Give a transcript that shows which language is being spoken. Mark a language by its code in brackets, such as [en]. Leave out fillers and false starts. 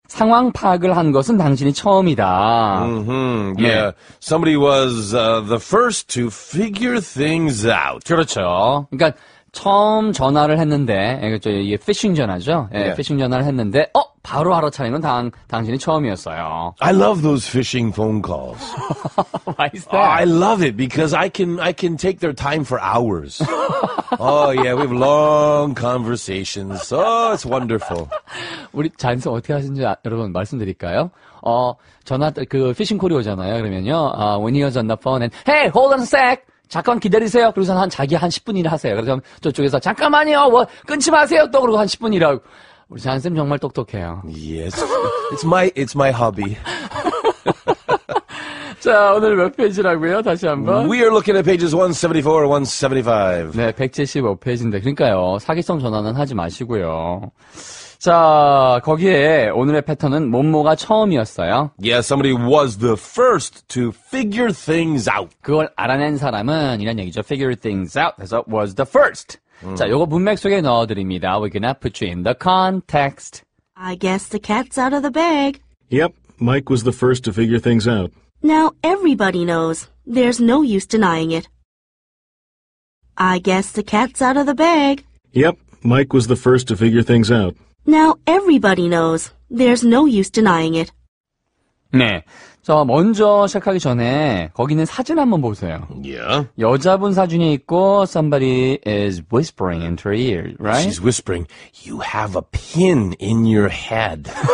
[ko] 상황 파악을 한 것은 당신이 처음이다. [en] Mm-hmm. Yeah. Somebody was the first to figure things out. [ko] 그렇죠. 그러니까 처음 전화를 했는데, 그렇죠. 이게 피싱 전화죠. 예, yeah. 피싱 전화를 했는데, 어? 바로 알아차리는 건 당신이 처음이었어요. [en] I love those phishing phone calls. Why is that? I love it because I can take their time for hours. Oh yeah, we have long conversations. Oh, it's wonderful. [ko] 우리 자연스 어떻게 하시는지 여러분 말씀드릴까요? 전화 그 피싱 콜이 오잖아요. 그러면요, [en] when he was on the phone and hey, hold on a sec. [ko] 잠깐 기다리세요. 그래서 한 자기 한 10분 일 하세요. 그래서 저쪽에서 잠깐만요. 뭐 끊지 마세요. 또 그러고 한 10분 일하고. 우리 자연쌤 정말 똑똑해요. [en] Yes. It's my hobby. [ko] 자, 오늘 몇 페이지라고요? 다시 한번. [en] We are looking at pages 174, 175. [ko] 네, 175페이지인데. 그러니까요. 사기성 전화는 하지 마시고요. 자, 거기에 오늘의 패턴은 뭐뭐가 처음이었어요. [en] Yeah, somebody was the first to figure things out. [ko] 그걸 알아낸 사람은 이런 얘기죠. [en] Figure things out. [ko] 그래서 [en] was the first. [ko] 자, 요거 문맥 속에 넣어드립니다. [en] We're gonna put you in the context. I guess the cat's out of the bag. Yep, Mike was the first to figure things out. Now everybody knows. There's no use denying it. I guess the cat's out of the bag. Yep, Mike was the first to figure things out. Now everybody knows. There's no use denying it. [ko] 네. 자, 먼저 시작하기 전에 거기는 사진 한번 보세요. [en] Yeah. [ko] 여자분 사진이 있고 [en] somebody is whispering into her ear, right? She's whispering, "You have a pin in your head."